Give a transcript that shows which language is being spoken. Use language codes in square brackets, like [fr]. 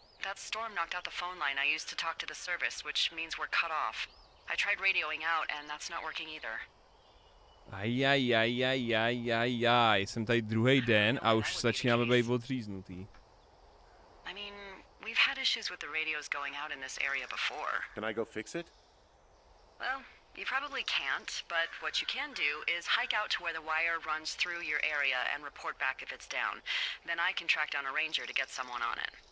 [en] That storm knocked out the phone line I used to talk to the service, which means we're cut off. I tried radioing out, and that's not working either. [cs] Ajajajajajajajaj, jsem tady druhý den a už začínáme být odříznutý. [en] I mean, we've had issues with the radios going out in this area before. Can I go fix it? Well, you probably can't, but what you can do is hike out to where the wire runs through your area and report back if it's down. Then I can track down a ranger to get someone on it.